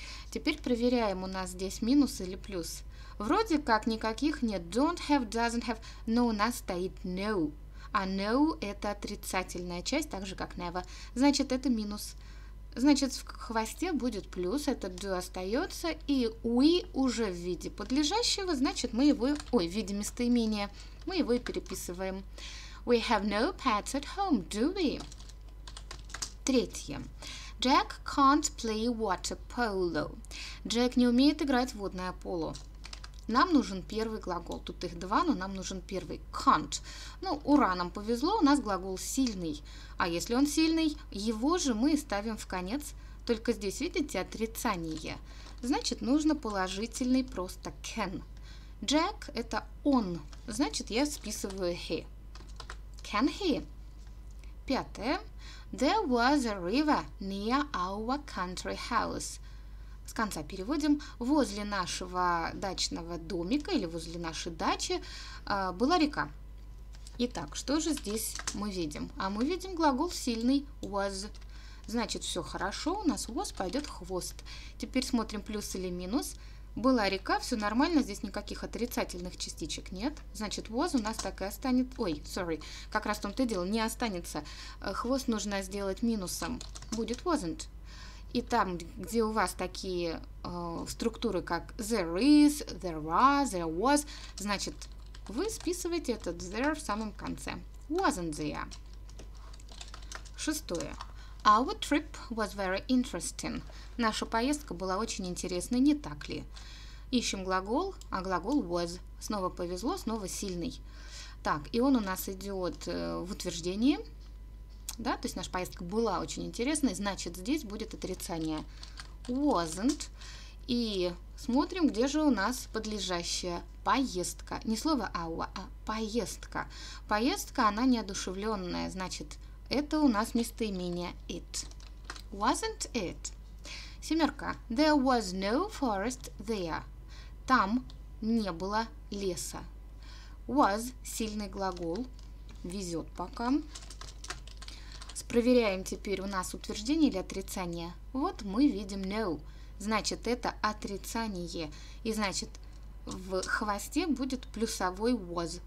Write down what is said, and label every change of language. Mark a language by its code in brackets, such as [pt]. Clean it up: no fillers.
[ru] Теперь проверяем, у нас здесь минус или плюс. Вроде как никаких нет, don't have, doesn't have, но у нас стоит no. А no – это отрицательная часть, так же как never. Значит, это минус. Значит, в хвосте будет плюс, этот do остается, и we уже в виде подлежащего, значит, мы его, ой, в виде местоимения, мы его и переписываем. [en] We have no pets at home, do we? [ru] Третье. [en] Jack can't play water polo. [ru] Джек не умеет играть в водное поло. Нам нужен первый глагол. Тут их два, но нам нужен первый. [en] Can't. [ru] Ну, ура, нам повезло, у нас глагол сильный. А если он сильный, его же мы ставим в конец. Только здесь, видите, отрицание. Значит, нужно положительный просто can. Jack – это он. Значит, я списываю he. [en] Can he? [ru] Пятое. [en] There was a river near our country house. [ru] С конца переводим. Возле нашего дачного домика или возле нашей дачи была река. Итак, что же здесь мы видим? А мы видим глагол сильный was. Значит, все хорошо, у нас was пойдет хвост. Теперь смотрим плюс или минус. Была река, все нормально, здесь никаких отрицательных частичек нет. Значит, was у нас так и останется. Ой, sorry, как раз в том-то и дело, не останется. Хвост нужно сделать минусом, будет wasn't. И там, где у вас такие структуры, как there is, there are, there was, значит, вы списываете этот there в самом конце. [en] Wasn't there. [ru] Шестое. [en] Our trip was very interesting. [ru] Наша поездка была очень интересной, не так ли? Ищем глагол, а глагол was. Снова повезло, снова сильный. Так, и он у нас идет в утверждении. Да, то есть наша поездка была очень интересной, значит, здесь будет отрицание. [en] Wasn't. [ru] И смотрим, где же у нас подлежащая поездка. Не слово our, а поездка. Поездка, она неодушевленная, значит, это у нас местоимение it. [en] Wasn't it? [ru] Семерка. [en] There was no forest there. [ru] Там не было леса. Was сильный глагол. Везет пока. Проверяем теперь у нас утверждение или отрицание. Вот мы видим no. Значит, это отрицание. И значит, в хвосте будет плюсовой was.